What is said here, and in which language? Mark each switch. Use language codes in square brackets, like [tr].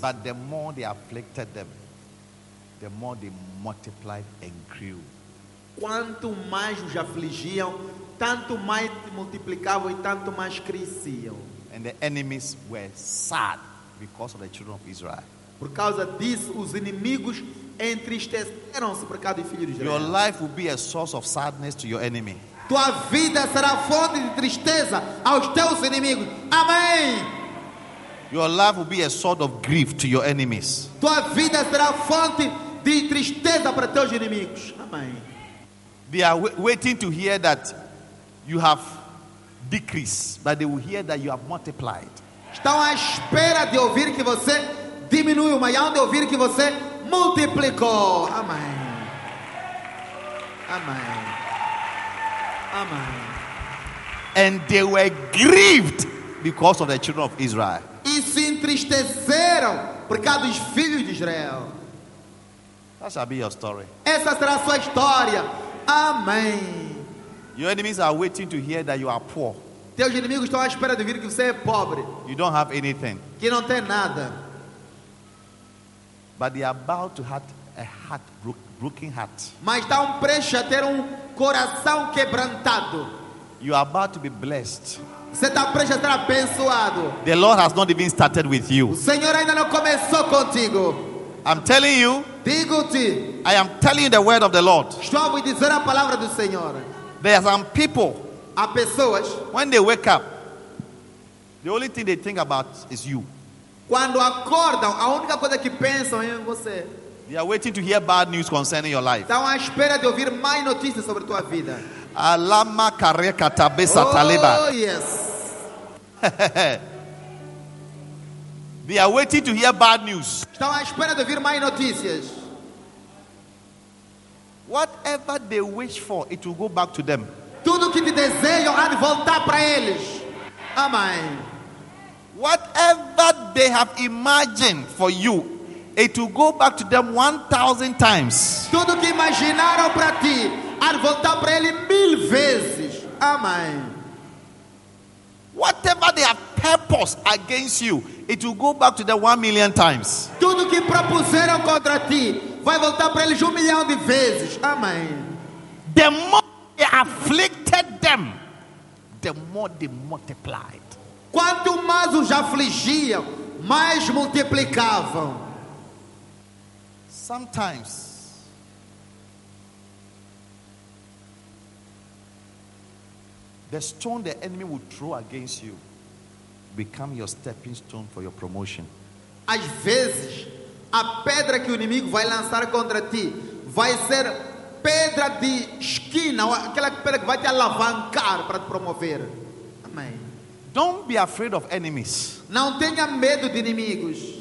[en] But the more they afflicted them, the more they multiplied and grew. [pt] Quanto mais os afligiam, tanto mais multiplicavam e tanto mais cresciam. [en] And the enemies were sad because of the children of Israel. [pt] Por causa disso, os inimigos entristeceram-se por causa dos filhos de Israel. [en] Your life will be a source of sadness to your enemy. [pt] Tua vida será fonte de tristeza aos teus inimigos. Amém. [en] Your life will be a sort of grief to your enemies. [pt] Tua vida será fonte de tristeza para teus inimigos. Amém. [en] They are waiting to hear that you have decreased, but they will hear that you have multiplied. [pt] Estão à espera de ouvir que você diminuiu, mas ao de ouvir que você multiplicou. Amém. Amém. Amém. [en] And they were grieved because of the children of Israel. [pt] E se entristeceram por causa dos filhos de Israel. [en] That shall be your story. [pt] Essa será a sua história. Amém. [en] Your enemies are waiting to hear that you are poor. [pt] Teus inimigos estão à espera de ouvir que você é pobre. [en] You don't have anything. [pt] Que não tem nada. [en] But they are about to have a heart broken heart. [pt] Mas estão prestes a ter coração quebrantado. [en] You are about to be blessed. [pt] Você está prestes a ser abençoado. [en] The Lord has not even started with you. [pt] O Senhor ainda não começou contigo. [en] I'm telling you. [pt] Digo-te. [en] I am telling you the word of the Lord. [pt] Estou a vos dizer a palavra do Senhor. [en] There are some people. [pt] Há pessoas. [en] When they wake up, the only thing they think about is you. [pt] Quando acordam, a única coisa que pensam é você. [en] They are waiting to hear bad news concerning your life. [pt] Estão à espera de ouvir mais notícias sobre tua vida. Alama kare katabesa taliba. [en] Oh yes. They are waiting to hear bad news. [pt] Estão à espera de ouvir mais notícias. [en] Whatever they wish for, it will go back to them. [pt] Tudo que te desejam há de voltar para eles. Amém. [en] Whatever they have imagined for you, it will go back to them 1,000 times. [pt] Tudo que imaginaram para ti há de voltar para ele 1,000 vezes. Amém. [en] Whatever they have purposed against you, it will go back to them 1,000,000 times. [pt] Tudo que propuseram contra ti vai voltar para eles 1,000,000 de vezes. Amém. [en] The more they afflicted them, the more they multiplied. [pt] Quanto mais os afligiam, mais multiplicavam. [en] Sometimes, the stone the enemy will throw against you become your stepping stone for your promotion. [pt] Às vezes, a pedra que o inimigo vai lançar contra ti vai ser pedra de esquina, aquela pedra que vai te alavancar para te promover. Amém. [en] Don't be afraid of enemies. [pt] Não tenha medo de inimigos.